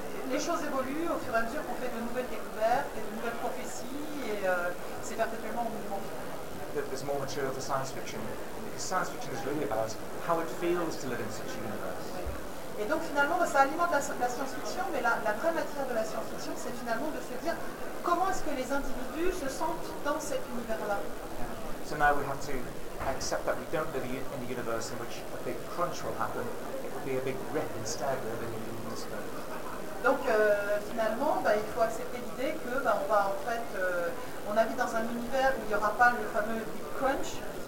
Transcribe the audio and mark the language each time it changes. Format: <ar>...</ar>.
<fr>Les choses évoluent au fur et à mesure qu'on fait de nouvelles découvertes et de nouvelles prophéties et c'est perpétuellement en mouvement.</fr> <en>There's more material for science fiction. Because science fiction is really about how it feels to live in such a universe.</en> <fr>Et donc finalement, ça alimente la science-fiction, mais la vraie matière de la science-fiction, c'est finalement de se dire comment est-ce que les individus se sentent dans cet univers-là.</fr> <en>So now we have to accept that we don't live in a universe in which a big crunch will happen. It will be a big rip instead of living in the universe.</en> <fr>Donc finalement, il faut accepter l'idée que on habite dans un univers où il n'y aura pas le fameux big crunch.</fr>